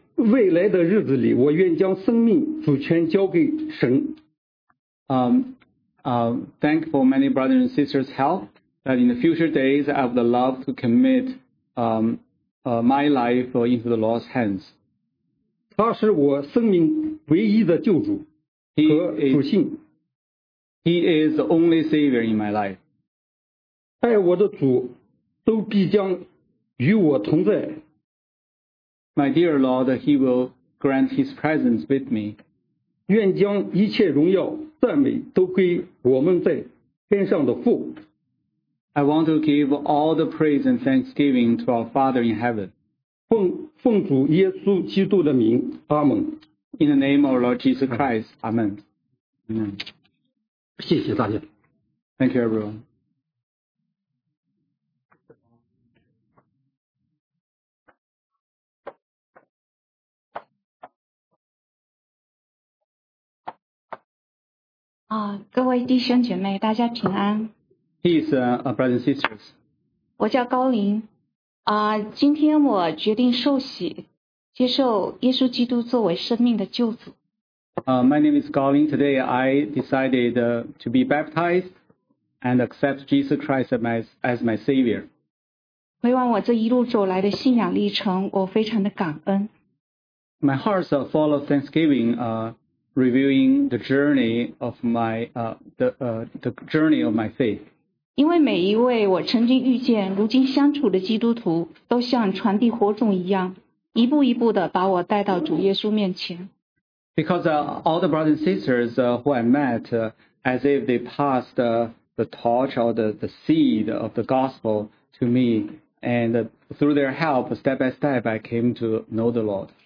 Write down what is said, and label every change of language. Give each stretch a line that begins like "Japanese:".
Chinese: 未来的日子里，我愿将生命主权交给神。
English: Thank for many brothers and sisters' help that in the future days I would love to commit my life into the Lord's hands.
Chinese: 他是我生命唯一的救主和主信。
English: He is the only savior in my life.
Chinese: 爱我的主都必将与我同在。
English: My dear Lord, He will grant His presence with me.
Chinese: 愿将一切荣耀赞美都归我们在天上的父。
English: I want to give all the praise and thanksgiving to our Father in heaven.
Chinese: 奉主耶稣基督的名，阿门。
English: In the name of Lord Jesus Christ, Amen.
Chinese: 谢谢大家。
English: Thank you, everyone.
Chinese: Oh, 各位弟兄姐妹，大家平安。
English: Peace, brothers and sisters.
Chinese: 我叫高林。今天我决定受洗，接受耶稣基督作为生命的救主。
English: My name is Gao Ling. Today I decided to be baptized and accept Jesus Christ as my Savior.
Chinese: 回望我这一路走来的信仰历程，我非常的感恩。
English: My heart's full of thanksgiving. Reviewing the journey of my the journey of my faith.
Chinese: 因为每一位我曾经遇见、如今相处的基督徒，都像传递火种一样，一步一步的把我带到主耶稣面前。
English: Because all the brothers and sisters who I met, as if they passed the torch or the seed of the gospel to me, and through their help, step by step, I came to know the Lord.